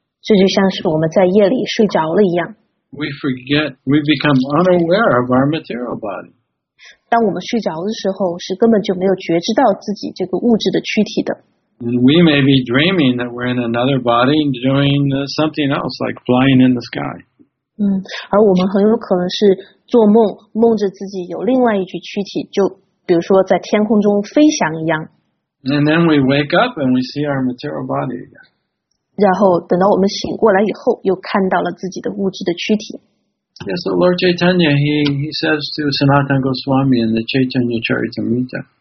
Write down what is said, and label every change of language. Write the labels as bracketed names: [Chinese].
[Chinese] 这就像是我们在夜里睡着了一样。 [English] We forget, we become unaware of our material body. [Chinese] 当我们睡着的时候，是根本就没有觉知到自己这个物质的躯体的。 [English] And we may be dreaming that we're in another body doing something else, like flying in the sky. [Chinese] 而我们很有可能是做梦，梦着自己有另外一具躯体，就比如说在天空中飞翔一样。 [English] And then we wake up and we see our material body again. [Chinese] 然后等到我们醒过来以后，又看到了自己的物质的躯体。 [English] Yes, so Lord Chaitanya, he says to Sanatana Goswami in the Chaitanya Charitamrita,